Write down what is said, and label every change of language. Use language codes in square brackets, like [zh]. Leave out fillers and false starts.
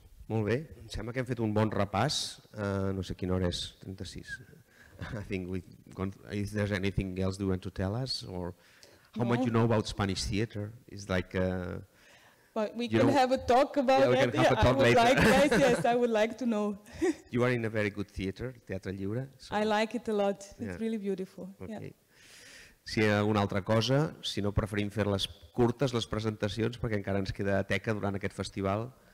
[ca] Molt bé, em sembla que hem fet un bon repàs, no sé quina hora és, 36. [en] I think we've gone, if there's anything else you want to tell us, or how much you know about Spanish theater? It's like... I would like to know. You are in a very good theater, Teatre Lliure. So. I like it a lot, it's really beautiful. Okay. Yeah. [ca] Si hi ha alguna altra cosa, si no preferim fer les curtes, les presentacions, perquè encara ens queda teca durant aquest festival.